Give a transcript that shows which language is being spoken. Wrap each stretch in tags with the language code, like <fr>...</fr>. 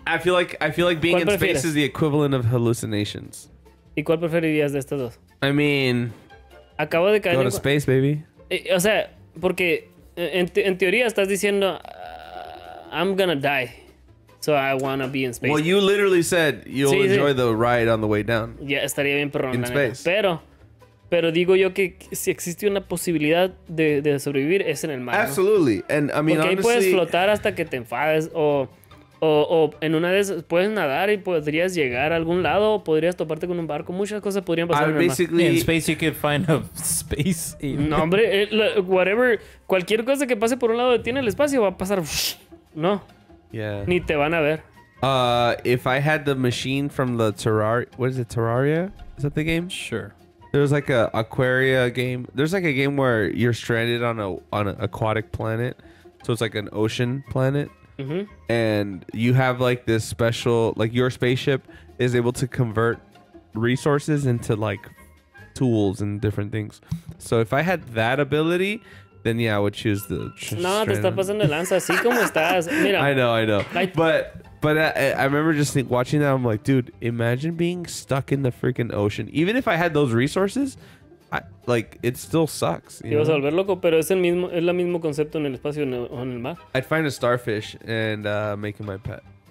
<en>I feel like being in space is the equivalent of hallucinations.</en> <es>¿Y cuál preferirías de estos dos?</es> <en>I mean,</en> <es>acabo de caer</es> <en>go to space, baby.</en> <es>O sea, porque en teoría estás diciendo</es> <en>I'm gonna die, so I wanna be in space. Well, you literally said you'll enjoy the ride on the way down.</en> <es>Ya estaría bien perrón, pero digo yo que si existe una posibilidad de sobrevivir es en el mar.</es> <en>Absolutely, and I mean,</en> <es>porque</es> <en>honestly,</en> <es>puedes flotar hasta que te enfades o en una de esas puedes nadar y podrías llegar a algún lado, o podrías toparte con un barco, muchas cosas podrían pasar.</es> <en>In space you could find a space.</en> <es>No, hombre,</es> <en>whatever,</en> <es>cualquier cosa que pase por un lado de ti en el espacio va a pasar. No.</es> <en>Yeah.</en> <es>Ni te van a ver.</es> <en>If I had the machine from the Terraria? Is that the game? Sure. There's like a Aquaria game. There's like a game where you're stranded on an aquatic planet. So it's like an ocean planet. Mm-hmm. And you have like this special, like your spaceship is able to convert resources into like tools and different things. So if I had that ability, then yeah, I would choose the.</en> <es>No, te está pasando lanza. Así como estás. Mira.</es> <en>I know. But I remember just watching that. I'm like, dude, imagine being stuck in the freaking ocean. Even if I had those resources, it still sucks.</en> <es>Te vas a volver loco, pero es el mismo concepto en el espacio o en el mar.</es> <en>I'd find a starfish and make him my pet.</en>